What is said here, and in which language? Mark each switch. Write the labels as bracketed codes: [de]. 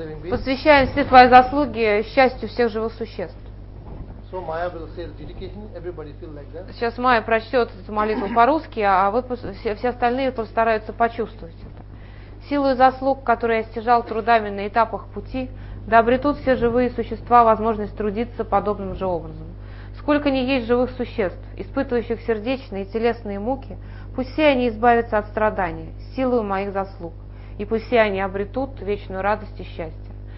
[ru] Посвящаем все свои заслуги счастью всех живых существ. [en] So Maya will say dedication. Everybody feel like that. [ru] Сейчас Майя прочтет эту молитву по-русски, а вы все остальные постараются почувствовать это. Силу и заслуг, которые я стяжал трудами на этапах пути, да обретут все живые существа возможность трудиться подобным же образом. Сколько ни есть живых существ, испытывающих сердечные и телесные муки, пусть все они избавятся от страдания, силой моих заслуг, и пусть все они обретут вечную радость и счастье.